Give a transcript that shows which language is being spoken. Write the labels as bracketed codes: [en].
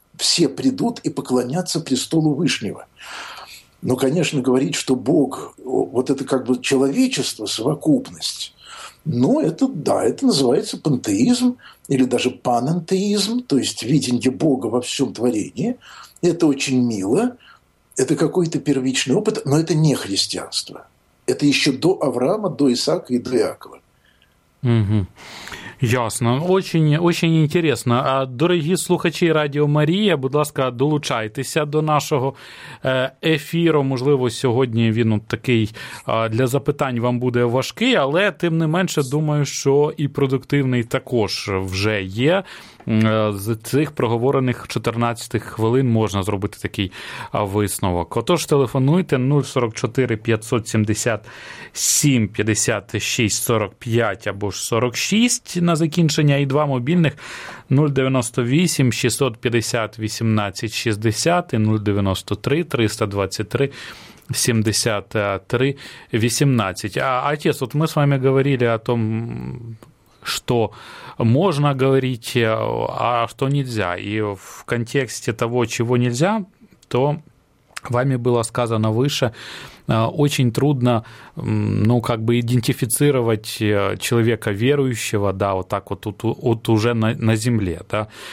[ru] Все придут и поклонятся престолу Вышнего. Но, конечно, говорить, что Бог – вот это как бы человечество, совокупность, ну, это да, это называется пантеизм или даже панантеизм, то есть видение Бога во всем творении. Это очень мило, это какой-то первичный опыт, но это не христианство. Это еще до Авраама, до Исаака и до Иакова. Угу. Ясно. Очень, очень интересно. [uk] Дорогі слухачі Радіо Марія, будь ласка, долучайтеся до нашого ефіру. Можливо, сьогодні він такий для запитань вам буде важкий, але тим не менше, думаю, що і продуктивний також вже є. З цих проговорених 14 хвилин можна зробити такий висновок. Отож, телефонуйте 044-577-56-45 або ж 46 на закінчення, і два мобільних 098-650-18-60 і 093-323-73-18. [ru] Отец, [uk] от ми з вами [ru] говорили о том, что можно говорить, а что нельзя. И в контексте того, чего нельзя, то вами было сказано выше, очень трудно, ну, как бы идентифицировать человека верующего, да, вот так вот, вот уже на земле, да.